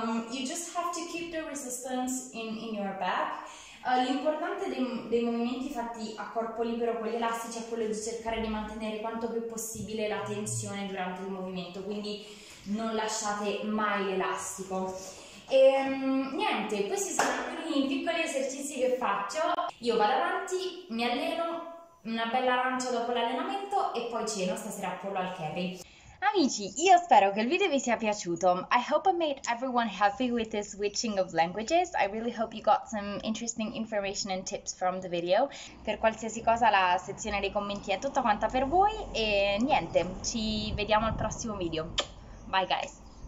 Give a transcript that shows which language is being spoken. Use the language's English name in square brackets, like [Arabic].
[English] You just have to keep the resistance in your back. [Italian] L'importante dei movimenti fatti a corpo libero con gli elastici è quello di cercare di mantenere quanto più possibile la tensione durante il movimento, quindi non lasciate mai l'elastico. E niente, questi sono alcuni piccoli esercizi che faccio. Io vado avanti, mi alleno, una bella arancia dopo l'allenamento e poi ceno stasera a pollo al curry. Amici, io spero che il video vi sia piaciuto. [English] I hope I made everyone happy with this switching of languages. I really hope you got some interesting information and tips from the video. [Italian] Per qualsiasi cosa la sezione dei commenti è tutta quanta per voi e niente, ci vediamo al prossimo video. [English] Bye guys!